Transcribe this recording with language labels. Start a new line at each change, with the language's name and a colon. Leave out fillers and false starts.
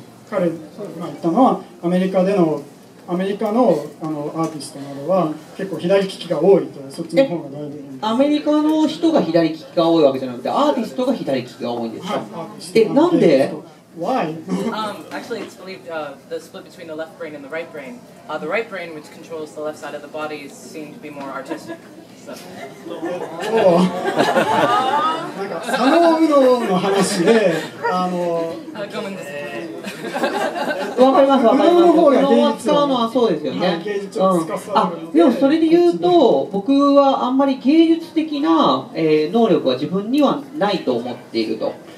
Japanese: 彼が言ったのは、アメリカでのアメリカ の, あのアーティストなどは結構左利きが多いとそっちの方が大事です。アメリカの人が左利きが多いわけじゃなくて、アーティストが左利きが多いんですか。はい、なんで
English: Why? actually, it's believed the split between the left brain and the right brain. The right brain, which controls the left side of the body, is seen to be more artistic.
Japanese: なんか左脳の話で、ごめんなさい。わかります、わかります。右脳を使うのはそうですよね。うん、あでもそれで言うと、僕はあんまり芸術的な、能力は自分にはないと思っていると。